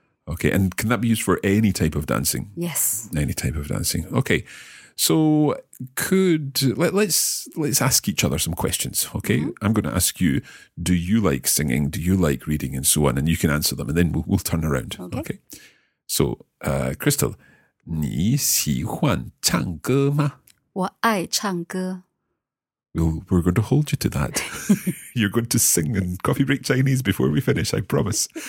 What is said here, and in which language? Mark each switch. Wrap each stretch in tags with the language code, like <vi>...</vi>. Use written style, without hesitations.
<en>Okay, and can that be used for any type of dancing? Yes. Any type of dancing. Okay, so let's ask each other some questions, okay? Mm-hmm. I'm going to ask you, do you like singing? Do you like reading and so on? And you can answer them and then we'll turn around. Okay.</en> <zh>So, Crystal, 你喜欢唱歌吗? 我爱唱歌.</zh> <en>We're going to hold you to that. You're going to sing in Coffee Break Chinese before we finish, I promise.</en>